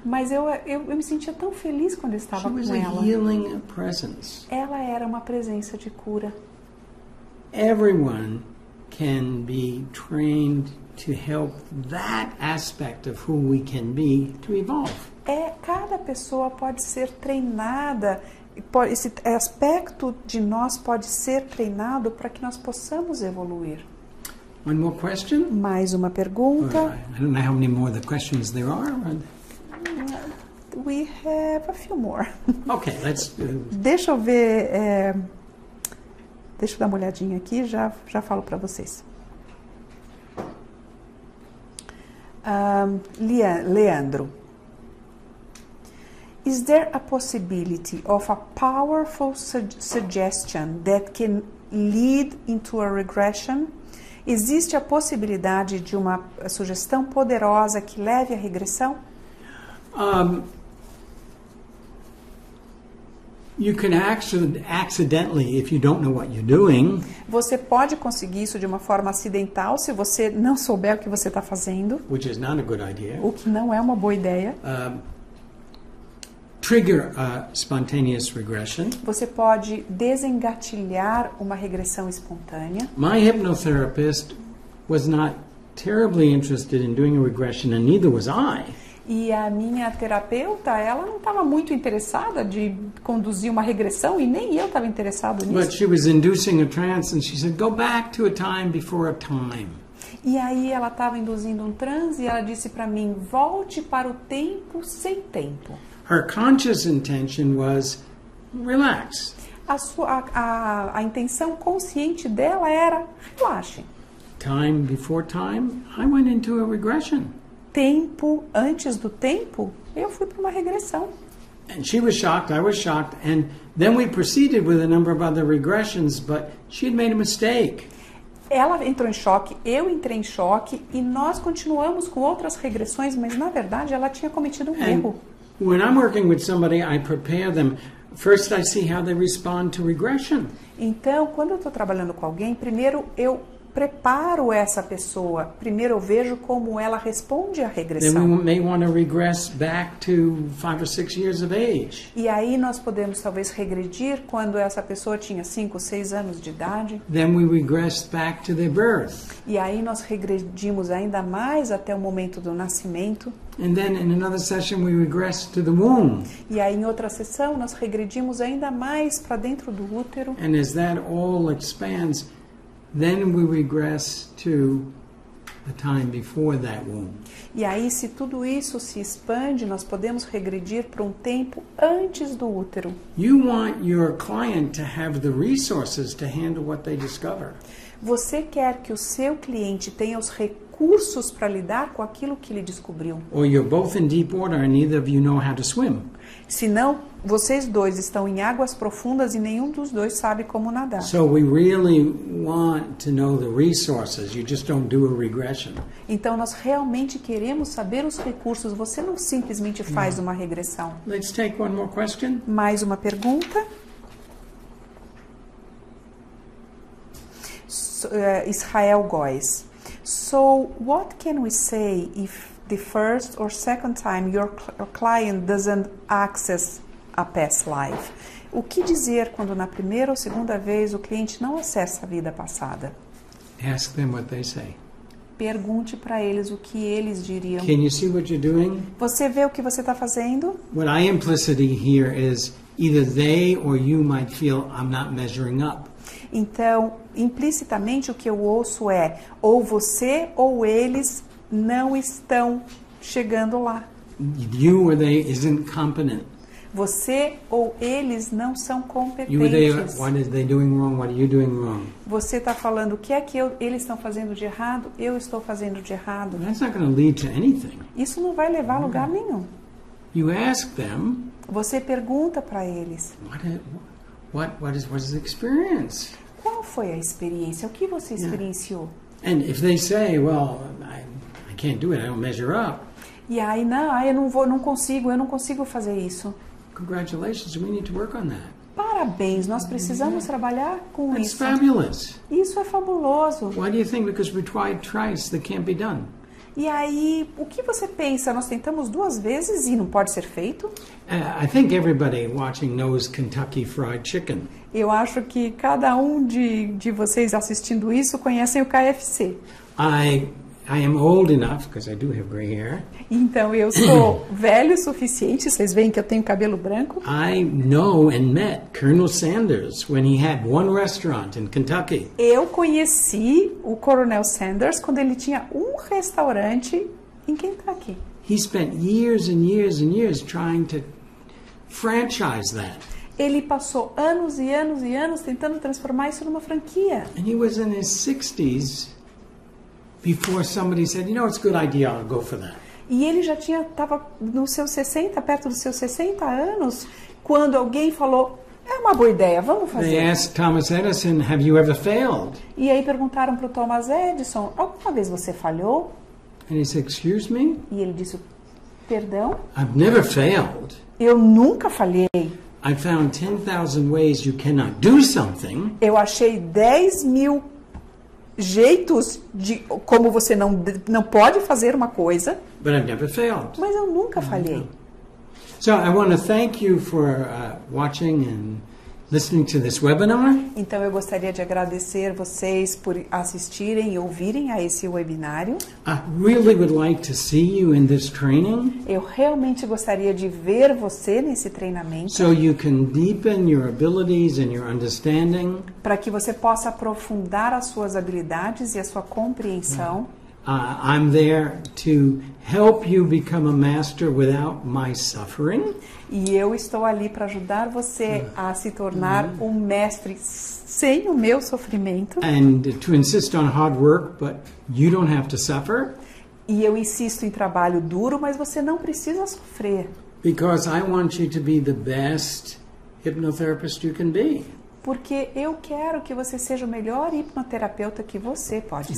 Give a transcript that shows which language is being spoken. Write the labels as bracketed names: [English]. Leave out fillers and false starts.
[Portuguese] Mas eu me sentia tão feliz quando estava [English] She [Portuguese] com [English] was [Portuguese] ela. [English] A healing presence. [Portuguese] Ela era uma presença de cura. [English] Everyone can be trained to help that aspect of who we can be to evolve. [Portuguese] Cada pessoa pode ser treinada, esse aspecto de nós pode ser treinado para que nós possamos evoluir. [English] One more question? [Portuguese] Mais uma pergunta. [English] I don't know how many more the questions there are. But we have a few more. Okay, let's [Portuguese] deixa eu ver. Deixa eu dar uma olhadinha aqui e já falo para vocês. Leandro. [English] Is there a possibility of a powerful suggestion that can lead into a regression? [Portuguese] Existe a possibilidade de uma sugestão poderosa que leve à regressão? [English] You can accidentally, if you don't know what you're doing. [Portuguese] Você pode conseguir isso de uma forma acidental se você não souber o que você está fazendo. [English] Which is not a good idea. [Portuguese] O que não é uma boa ideia. [English] Trigger a spontaneous regression. [Portuguese] Você pode desengatilhar uma regressão espontânea. [English] My hypnotherapist was not terribly interested in doing a regression, and neither was I. [Portuguese] E a minha terapeuta, ela não estava muito interessada de conduzir uma regressão e nem eu estava interessado nisso. [English] But she was inducing a trance and she said, go back to a time before a time. [Portuguese] E aí ela estava induzindo um transe e ela disse para mim, volte para o tempo sem tempo. [English] Her conscious intention was, relax. [Portuguese] A intenção consciente dela era, relaxe. [English] Time before time, I went into a regression. [Portuguese] Tempo antes do tempo, eu fui para uma regressão. [English] And she was shocked, I was shocked, and then we proceeded with a number of other regressions, but she had made a mistake. [Portuguese] Ela entrou em choque, eu entrei em choque, e nós continuamos com outras regressões, mas na verdade ela tinha cometido erro. [English] When I'm working with somebody, I prepare them. First, I see how they respond to regression. [Portuguese] Então, quando eu estou trabalhando com alguém, primeiro eu preparo essa pessoa. Primeiro eu vejo como ela responde à regressão. [English] Then we may want to regress back to 5 or 6 years of age. [Portuguese] E aí nós podemos talvez regredir quando essa pessoa tinha 5 ou 6 anos de idade. [English] Then we regress back to their birth. [Portuguese] E aí nós regredimos ainda mais até o momento do nascimento. [English] And then in another session we regress to the womb. [Portuguese] E aí em outra sessão nós regredimos ainda mais para dentro do útero. [English] And as that all expands, then we regress to a time before that womb. [Portuguese] E aí, se tudo isso se expande, nós podemos regredir para um tempo antes do útero. [English] You want your client to have the resources to handle what they discover. [Portuguese] Você quer que o seu cliente tenha os recursos para lidar com aquilo que ele descobriu. [English] Or you're both in deep water and neither of you know how to swim. [Portuguese] Senão, vocês dois estão em águas profundas e nenhum dos dois sabe como nadar. [English] So we really want to know the resources. You just don't do a regression. [Portuguese] Então nós realmente queremos saber os recursos. Você não simplesmente faz uma regressão. [English] Let's take one more question. [Portuguese] Mais uma pergunta. Israel Góes. [English] So what can we say if the first or second time your client doesn't access a past life? [Portuguese] O que dizer quando na primeira ou segunda vez o cliente não acessa a vida passada? [English] Ask them what they say. [Portuguese] Pergunte para eles o que eles diriam. [English] Can you see what you're doing? [Portuguese] Você vê o que você está fazendo? [English] What I implicitly hear is either they or you might feel I'm not measuring up. [Portuguese] Então, implicitamente o que eu ouço é ou você ou eles não estão chegando lá. [English] You or they isn't competent. [Portuguese] Você ou eles não são competentes. [English] You or they, what are they doing wrong? What are you doing wrong? [Portuguese] Você está falando o que é que eles estão fazendo de errado, eu estou fazendo de errado. [English] That's not going to lead to anything. [Portuguese] Isso não vai levar a lugar nenhum. [English] You ask them, [Portuguese] você pergunta para eles. [English] What is experience? [Portuguese] Qual foi a experiência? O que você experienciou? [English] And if they say, well, I can't do it. I don't measure up. [Portuguese] E aí, eu não consigo fazer isso. [English] Congratulations, we need to work on that. [Portuguese] Parabéns, nós precisamos trabalhar com [English] That's [Portuguese] isso. [English] Fabulous. [Portuguese] Isso é fabuloso. [English] Why do you think? Because we tried twice, that can't be done. [Portuguese] E aí, o que você pensa? Nós tentamos duas vezes e não pode ser feito? [English] I think everybody watching knows Kentucky Fried Chicken. [Portuguese] Eu acho que cada um de vocês assistindo isso conhecem o KFC. [English] I am old enough, because I do have gray hair. [Portuguese] Então, eu sou velho o suficiente, vocês veem que eu tenho cabelo branco. [English] I know and met Colonel Sanders when he had one restaurant in Kentucky. [Portuguese] Eu conheci o Coronel Sanders quando ele tinha um restaurante em Kentucky. [English] He spent years and years and years trying to franchise that. [Portuguese] Ele passou anos e anos e anos tentando transformar isso numa franquia. [English] And he was in his 60s. Before somebody said, you know, it's a good idea, I'll go for that. [Portuguese] E ele já estava no seu 60, perto dos seus 60 anos, quando alguém falou, é uma boa ideia, vamos fazer. [English] They asked Thomas Edison, have you ever failed? [Portuguese] E aí perguntaram para o Thomas Edison, alguma vez você falhou? [English] And he said, excuse me? [Portuguese] E ele disse, perdão. [English] I've never failed. [Portuguese] Eu nunca falhei. [English] I found 10,000 ways you cannot do something. [Portuguese] Eu achei 10,000 jeitos de como você não pode fazer uma coisa. [English] But I've never failed. [Portuguese] Mas eu nunca falhei. [English] So I want to thank you for watching and listening to this webinar. [Portuguese] Então eu gostaria de agradecer vocês por assistirem e ouvirem a esse webinário. [English] I really would like to see you in this training. [Portuguese] Eu realmente gostaria de ver você nesse treinamento. [English] So you can deepen your abilities and your understanding. [Portuguese] Para que você possa aprofundar as suas habilidades e a sua compreensão. [English] I'm there to help you become a master without my suffering. [Portuguese] E eu estou ali para ajudar você a se tornar um mestre sem o meu sofrimento. [English] And to insist on hard work, but you don't have to suffer. [Portuguese] E eu insisto em trabalho duro, mas você não precisa sofrer. [English] Because I want you to be the best hypnotherapist you can be. [Portuguese] Porque eu quero que você seja o melhor hipnoterapeuta que você pode